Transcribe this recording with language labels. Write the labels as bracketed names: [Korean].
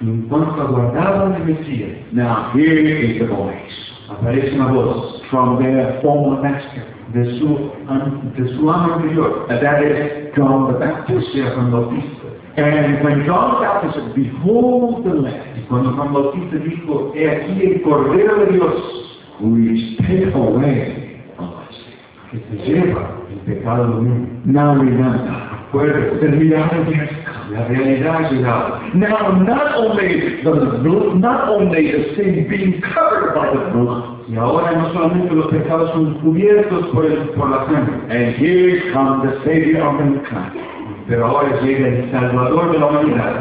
[Spanish] en cuanto aguardaban el Mesías, [English] now here is the voice. [Spanish] Aparece una voz [English] from their former master. [Spanish] De su amo anterior, [English] that is John the Baptist, yeah, from Bautista. And when John the Baptist said, behold the Lamb, [Spanish] y cuando Juan Bautista dijo, he aquí el Cordero de Dios, [English] who is taken away, [Spanish] que se lleva el pecado del mundo. [English] Now remember, [Spanish] acuérdense, [English] the reality has come. [Spanish] La realidad ha llegado. [English] Now not only the sin being covered by the blood. [Spanish] Y ahora no solamente los pecados son cubiertos por la sangre. [English] And here comes the Savior of mankind. [Spanish] Pero ahora llega el Salvador de la humanidad.